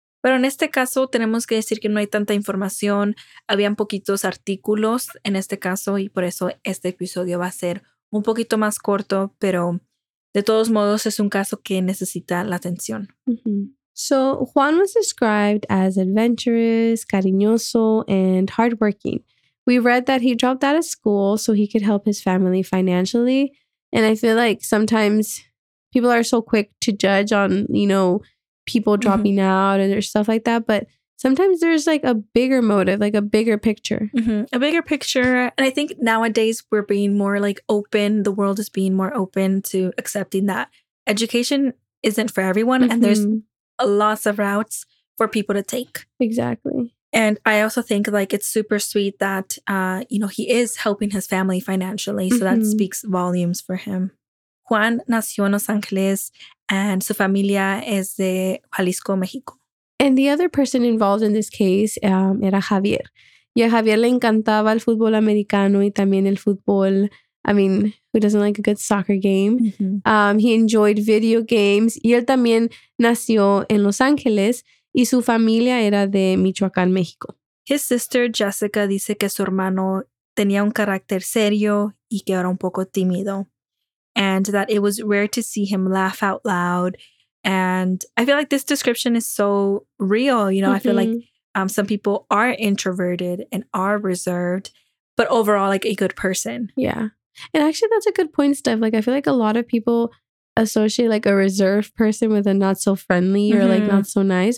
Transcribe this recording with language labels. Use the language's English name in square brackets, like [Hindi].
[Spanish] Pero en este caso tenemos que decir que no hay tanta información. Habían poquitos artículos en este caso y por eso este episodio va a ser un poquito más corto, pero de todos modos es un caso que necesita la atención. Mm-hmm. [English] So Juan was described as adventurous, cariñoso, and hardworking. We read that he dropped out of school so he could help his family financially. And I feel like sometimes people are so quick to judge on, you know, people dropping out and stuff like that. But sometimes there's like a bigger motive, like a bigger picture. Mm-hmm. A bigger picture. And I think nowadays we're being more like open. The world is being more open to accepting that education isn't for everyone. Mm-hmm. And there's lots of routes for people to take. Exactly. And I also think like it's super sweet that, you know, he is helping his family financially. So that speaks volumes for him. [Spanish] Juan nació en Los Ángeles and su familia es de Jalisco, Mexico. [English] And the other person involved in this case [Spanish] era Javier. Y a Javier le encantaba el fútbol americano y también el fútbol [English] I mean, who doesn't like a good soccer game? Mm-hmm. He enjoyed video games. [Spanish] Y él también nació en Los Ángeles y su familia era de Michoacán, México. [English] His sister [Spanish] Jessica dice que su hermano tenía un carácter serio y que era un poco tímido. [English] And that it was rare to see him laugh out loud. And I feel like this description is so real. You know, mm-hmm. I feel like some people are introverted and are reserved, but overall like a good person. Yeah. And actually, that's a good point, Steph. Like, I feel like a lot of people associate like a reserved person with a not so friendly mm-hmm. or like not so nice.